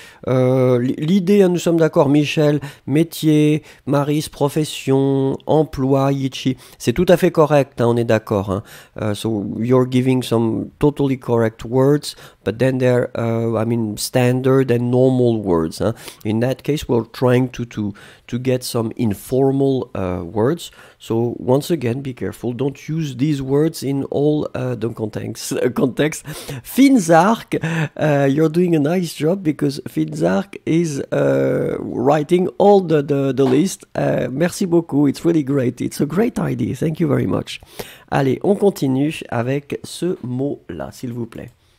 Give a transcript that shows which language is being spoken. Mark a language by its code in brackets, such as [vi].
[fr] L'idée, hein, nous sommes d'accord, Michel, métier, Maris, profession, emploi, Yichi, c'est tout à fait correct, hein, on est d'accord. Hein. [en] So you're giving some totally correct words, but then they're, standard and normal words. Hein. In that case, we're trying to get some informal words. So once again, be careful, don't use these words in all the context. Finzark, you're doing a nice job because Finzark Zark is writing all the list. [fr] Merci beaucoup. [en] It's really great. It's a great idea. Thank you very much. [fr] Allez, on continue avec ce mot-là, s'il vous plaît.